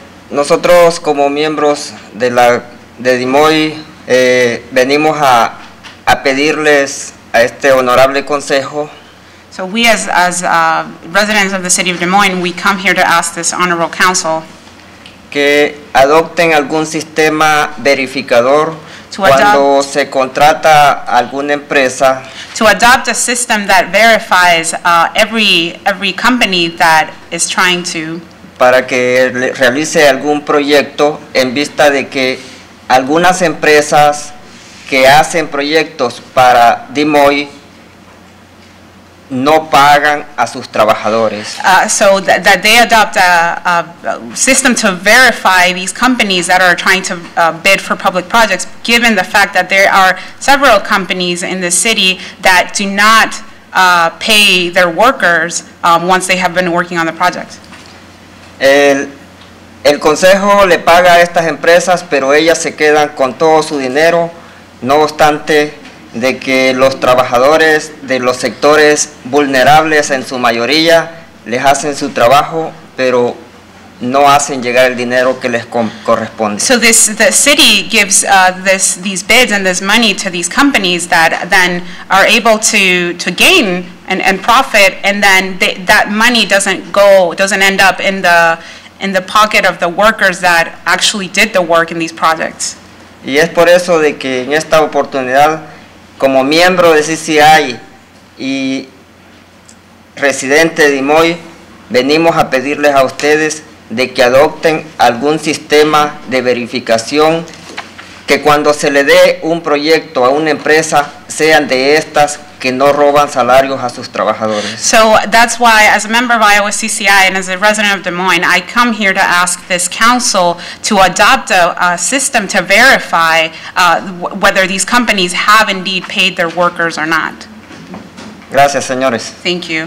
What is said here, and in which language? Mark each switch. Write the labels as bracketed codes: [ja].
[es] Nosotros como miembros de la de DIMOI venimos a pedirles a este honorable consejo. [en] So we as residents of the city of Des Moines, we come here to ask this honorable council [es] que adopten algún sistema verificador cuando se contrata alguna empresa. [en] To adopt a system that verifies every company that is trying to. [es] Para que realice algún proyecto en vista de que algunas empresas que hacen proyectos para DIMOI no pagan a sus trabajadores. [en] So that they adopt a system to verify these companies that are trying to bid for public projects, given the fact that there are several companies in the city that do not pay their workers once they have been working on the project. [es] El consejo le paga a estas empresas, pero ellas se quedan con todo su dinero, no obstante de que los trabajadores de los sectores vulnerables en su mayoría les hacen su trabajo, pero no hacen llegar el dinero que les corresponde. [en] So this, the city gives these bids and this money to these companies that then are able to gain and profit, and then that money doesn't end up in the pocket of the workers that actually did the work in these projects. [es] Y es por eso de que en esta oportunidad como miembro de CCI y residente de DIMOI, venimos a pedirles a ustedes de que adopten algún sistema de verificación que cuando se le dé un proyecto a una empresa sean de estas que no roban salarios a sus trabajadores. [en] So that's why, as a member of Iowa CCI and as a resident of Des Moines, I come here to ask this council to adopt a system to verify whether these companies have indeed paid their workers or not. [es] Gracias, señores. [en] Thank you.